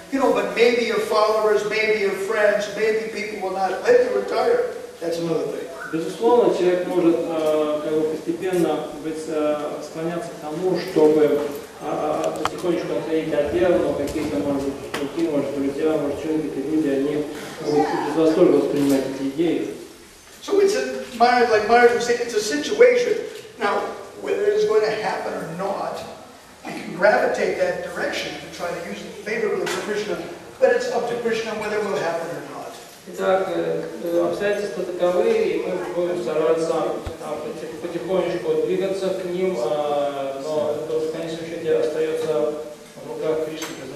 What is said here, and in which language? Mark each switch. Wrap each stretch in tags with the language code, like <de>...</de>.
<en>You know, but maybe your followers, maybe your friends, maybe people will not let you retire. That's another thing.</en> <ru>Безусловно, человек может как бы постепенно склоняться к тому, чтобы потихонечку отходить от дел, но какие-то, может быть, ученики, может, друзья, может, какие-то люди, они без восторга воспринимают эти идеи.</ru> <en>So it's like Майя was saying, it's a situation. Now, whether it's going to happen or not, I can gravitate that direction to try to use it favorably for Krishna, but it's up to Krishna whether it will happen or not.</en> <ru>Итак, обстоятельства таковы, и мы будем стараться потихонечку двигаться к ним, но это в конечном счете остается в руках Кришны.</ru>